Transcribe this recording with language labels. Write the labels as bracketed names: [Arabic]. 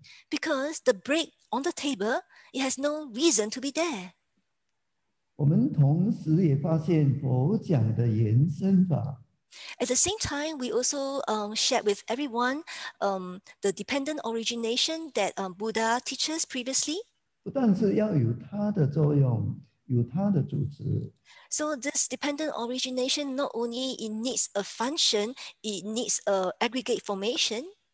[English] Because the break on the table, it has no reason to be there. [Chinese] 我们同时也发现佛讲的延伸法。 [English] At the same time, we also shared with everyone the dependent origination that Buddha teaches previously. [Chinese] 不但是要有它的作用, 有它的组织。 [English] So this dependent origination, not only it needs a function, it needs an aggregate formation.